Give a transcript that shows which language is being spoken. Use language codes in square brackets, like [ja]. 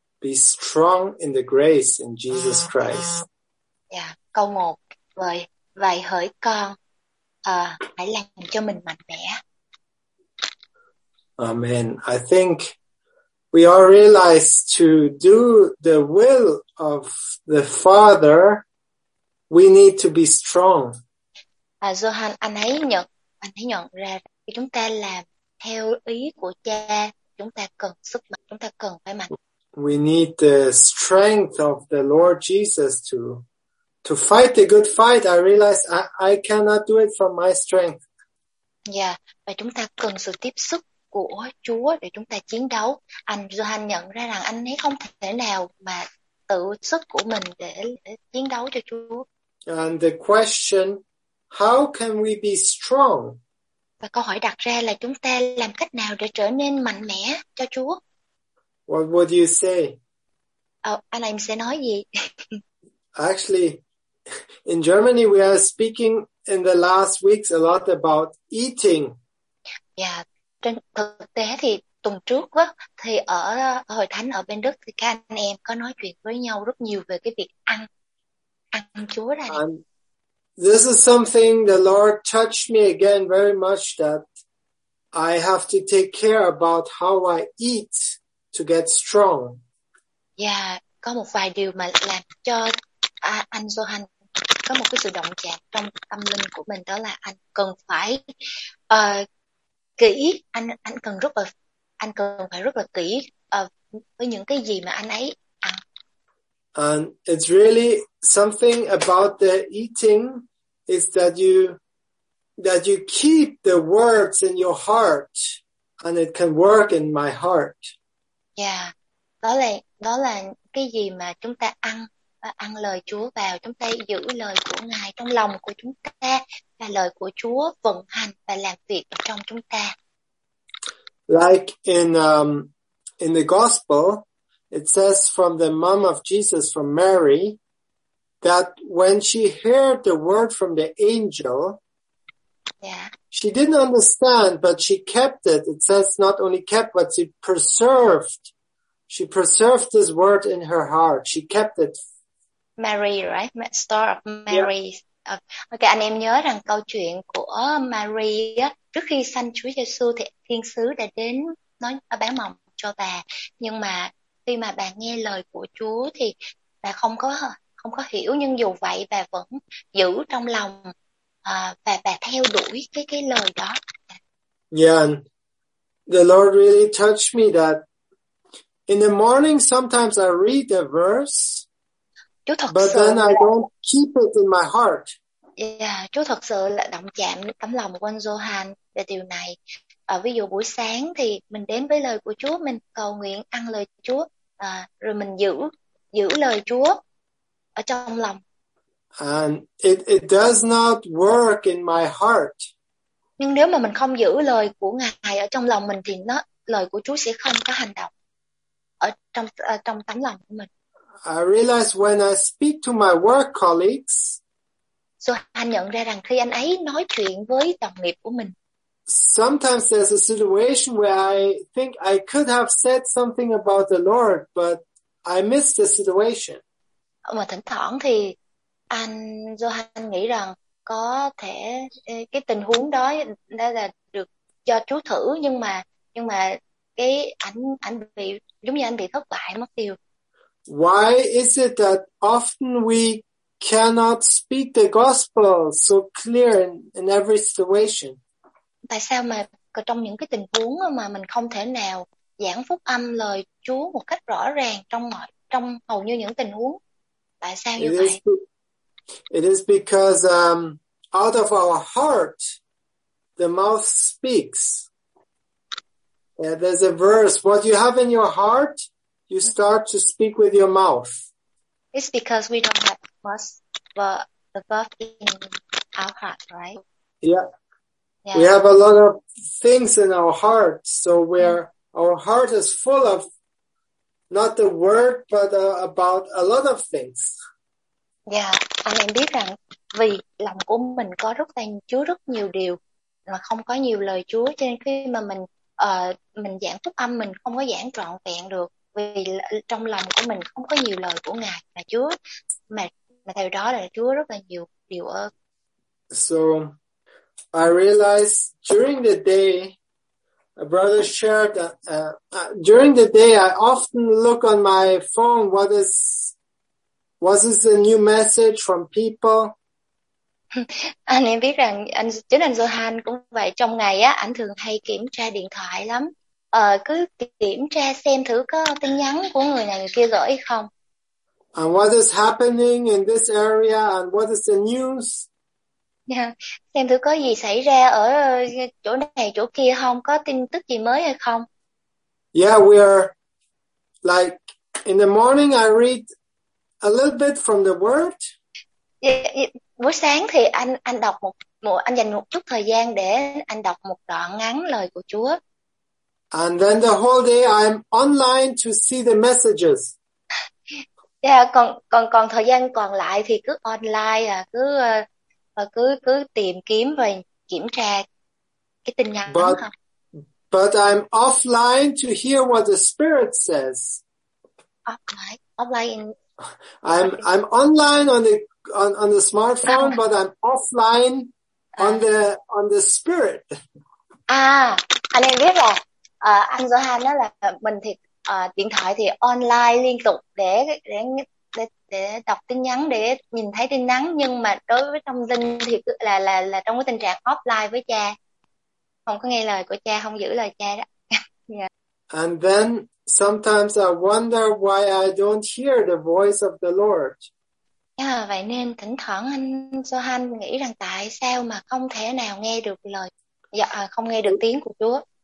[en] Be strong in the grace in Jesus Christ. [vi] Yeah, câu 1. Vậy hỡi con, hãy làm cho mình mạnh mẽ. Amen. [en] I think we all realize to do the will of the Father, we need to be strong. [vi] Johan, anh ấy nhận ra khi chúng ta làm theo ý của cha, chúng ta cần sức mạnh, chúng ta cần phải mạnh. [en] We need the strength of the Lord Jesus to fight the good fight. I realize I cannot do it from my strength. [vi] Yeah, và chúng ta cần sự tiếp xúc của Chúa để chúng ta chiến đấu. Anh Johan nhận ra rằng anh ấy không thể nào mà tự sức của mình để chiến đấu cho Chúa. [en] And the question, how can we be strong? [vi] Và câu hỏi đặt ra là chúng ta làm cách nào để trở nên mạnh mẽ cho Chúa? [en] What would you say? [vi] Anh em sẽ nói gì? [en] Actually, in Germany we are speaking in the last weeks a lot about eating. [vi] Yeah, trên thực tế thì tuần trước á thì ở hội thánh ở bên Đức thì các anh em có nói chuyện với nhau rất nhiều về cái việc ăn. Ăn Chúa này. [en] This is something the Lord touched me again very much that I have to take care about how I eat to get strong. [vi] Yeah, có một vài điều mà làm cho anh Johan có một cái sự động chạm trong tâm linh của mình, đó là anh cần phải kỹ, anh cần phải rất là kỹ với những cái gì mà anh ấy ăn. [en] And it's really something about the eating. Is that you keep the words in your heart and it can work in my heart. Yeah. [vi] Đó là cái gì mà chúng ta ăn lời Chúa vào, chúng ta giữ lời của Ngài trong lòng của chúng ta và lời của Chúa vận hành và làm việc trong chúng ta. [en] Like in the gospel it says from the mom of Jesus, from Mary, that when she heard the word from the angel, yeah, she didn't understand, but she kept it. It says not only kept, but she preserved. She preserved this word in her heart. She kept it. Mary, right? Story of Mary. Yeah. [vi] Okay, anh em nhớ rằng câu chuyện của Mary trước khi sanh Chúa Giêsu thì thiên sứ đã đến nói báo mộng cho bà. Nhưng mà khi mà bà nghe lời của Chúa thì bà không có hiểu, nhưng dù vậy bà vẫn giữ trong lòng và bà theo đuổi cái lời đó. [en] Yeah, and the Lord really touched me that in the morning sometimes I read a verse, but then I don't keep it in my heart. [vi] Yeah, Chúa thật sự là động chạm tấm lòng của anh Johan về điều này. Ví dụ buổi sáng thì mình đến với lời của Chúa, mình cầu nguyện ăn lời Chúa, rồi mình giữ lời Chúa ở trong lòng. [en] And it does not work in my heart. [vi] Nhưng nếu mà mình không giữ lời của Ngài ở trong lòng mình thì lời của Chúa sẽ không có hành động ở trong tấm lòng của mình. [en] I realize when I speak to my work colleagues. [vi] So anh nhận ra rằng khi anh ấy nói chuyện với đồng nghiệp của mình. [en] Sometimes there's a situation where I think I could have said something about the Lord, but I missed the situation. [vi] Mà thỉnh thoảng thì anh Johan nghĩ rằng có thể cái tình huống đó đã là được cho Chúa thử, nhưng mà cái ảnh bị giống như anh bị thất bại mất tiêu. [en] Why is it that often we cannot speak the gospel so clear in every situation? [vi] Tại sao mà trong những cái tình huống mà mình không thể nào giảng phúc âm lời Chúa một cách rõ ràng trong hầu như những tình huống? [en] It is because out of our heart the mouth speaks. Yeah, there's a verse, what you have in your heart you start to speak with your mouth. It's because we don't have much but the verb in our heart, right? Yeah. We have a lot of things in our heart, so where our heart is full of not the word, but about a lot of things. [vi] Yeah, anh em biết rằng vì lòng của mình có rất nhiều điều mà không có nhiều lời Chúa, cho nên khi mà mình giảng phúc âm mình không có giảng trọn vẹn được vì trong lòng của mình không có nhiều lời của Ngài là Chúa, mà theo đó là Chúa rất là nhiều điều ở. [en] So I realized during the day. A brother shared that during the day I often look on my phone what is the new message from people. [vi] Anh em biết rằng chính anh Johan cũng vậy, trong ngày á anh thường hay kiểm tra điện thoại lắm, cứ kiểm tra xem thử có tin nhắn của người này người kia gửi không. [en] And what is happening in this area and what is the news? Yeah. [vi] Xem thử có gì xảy ra ở chỗ này chỗ kia không, có tin tức gì mới hay không. [en] Yeah, we are like in the morning I read a little bit from the word. [vi] Buổi sáng thì anh đọc một anh dành một chút thời gian để anh đọc một đoạn ngắn lời của Chúa. [en] And then the whole day I'm online to see the messages. [vi] Yeah, còn thời gian còn lại thì cứ online cứ tìm kiếm và kiểm tra cái tin nhắn đó. [en] But I'm offline to hear what the Spirit says. Offline. I'm online on the smartphone, but I'm offline on the Spirit. [vi] À, anh em biết rồi. Anh Johan đó là mình thì điện thoại thì online liên tục để đọc tin nhắn để nhìn thấy tin nhắn, nhưng mà đối với trong linh thì là trong cái tình trạng offline với cha, không có nghe lời của cha, không giữ lời cha đó. Yeah. [en] And then sometimes I wonder why I don't hear the voice of the Lord. [vi] Yeah, vậy nên thỉnh thoảng anh Johan nghĩ rằng tại sao mà không thể nào nghe được lời, không nghe được tiếng của Chúa.